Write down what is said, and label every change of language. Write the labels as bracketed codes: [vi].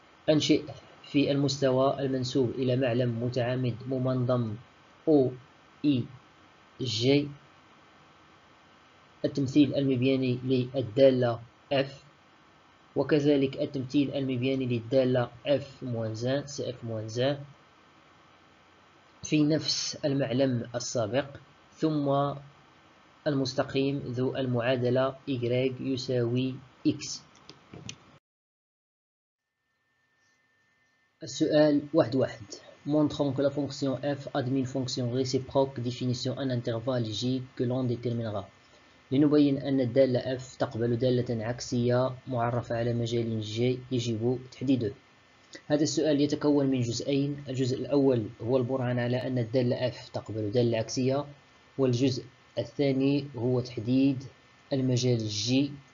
[ar] أنشئ في المستوى المنسوب إلى معلم متعامد ممنظم O E J التمثيل المبياني للدالة F وكذلك التمثيل المبياني للدالة F موانز C F موانز في نفس المعلم السابق، ثم المستقيم ذو المعادلة y يساوي x. [fr] السؤال 1-1، montrons que la fonction f admet une fonction réciproque définie sur un intervalle g que l'on déterminera. [ar] لنبين أن الدالة f تقبل دالة عكسية معرفة على مجال g يجب تحديده. هذا السؤال يتكون من جزئين، الجزء الأول هو البرهان على أن الدالة f تقبل دالة عكسية، والجزء الثاني هو تحديد المجال g.